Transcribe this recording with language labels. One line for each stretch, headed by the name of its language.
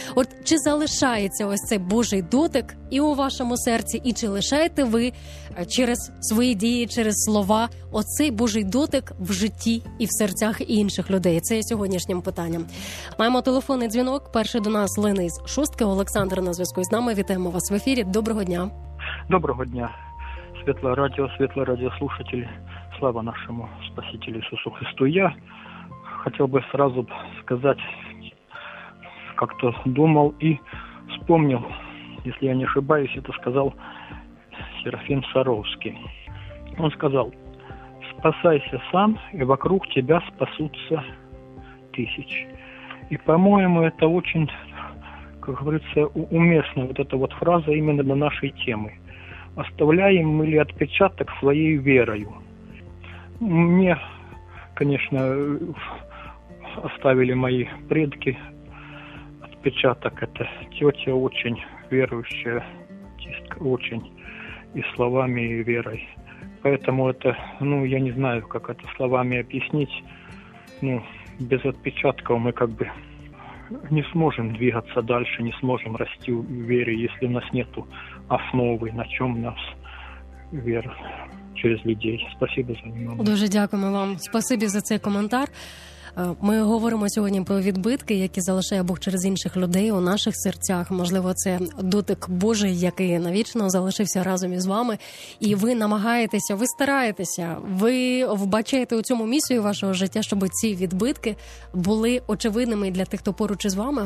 Ukrainian: От чи залишається ось цей Божий дотик і у вашому серці, і чи лишаєте ви через свої дії, через слова оцей Божий дотик в житті і в серцях інших людей? Це є сьогоднішнім питанням. Маємо телефонний дзвінок. Перший до нас Лений з Шустки. Олександр на зв'язку із нами. Вітаємо вас в ефірі. Доброго дня. Доброго дня. Світле радіо, світле радіослухателі.
Russian: Слава нашему Спасителю Иисусу Христу. Я хотел бы сразу сказать, как-то думал и вспомнил, если я не ошибаюсь, это сказал Серафим Саровский. Он сказал: «Спасайся сам, и вокруг тебя спасутся тысяч». И, по-моему, это очень, как говорится, уместно, вот эта вот фраза именно на нашей теме. «Оставляем мы ли отпечаток своей верою?» Мне, конечно, оставили мои предки отпечаток. Это тетя очень верующая, тетка очень и словами, и верой. Поэтому это, ну, я не знаю, как это словами объяснить. Ну, без отпечатков мы как бы не сможем двигаться дальше, не сможем расти в вере, если у нас нету основы, на чем нас вера. Через людей. Спасибо за внимание.
Ukrainian: Дуже дякуємо вам. Спасибі за цей коментар. Ми говоримо сьогодні про відбитки, які залишає Бог через інших людей у наших серцях. Можливо, це дотик Божий, який навічно залишився разом із вами. І ви намагаєтеся, ви стараєтеся, ви вбачаєте у цьому місію вашого життя, щоб ці відбитки були очевидними для тих, хто поруч із вами.